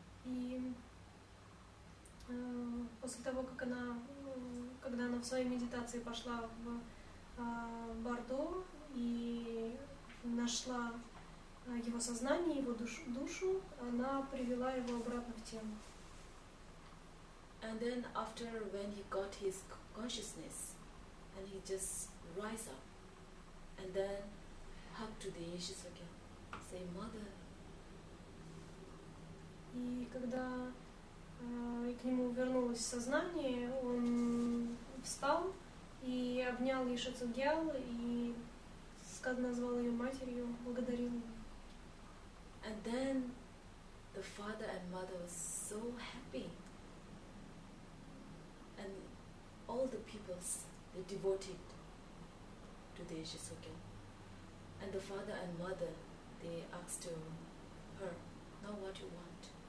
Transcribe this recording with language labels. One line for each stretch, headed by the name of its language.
Russian: И после того, как она, когда она в своей медитации пошла в бардо и нашла его сознание, его душу, она привела его обратно в тело.
English: And then after when he got his consciousness, and he just rise up, and then hug to the issues again, say mother.
Russian: И когда и к нему вернулось сознание, он встал и обнял Йишицу Гьял и назвал ее матерью, благодарил ее.
English: And then the father and mother were so happy. And all the peoples, they devoted to the Йишицу Гьял. And the father and mother, they asked her, "Now what you want?"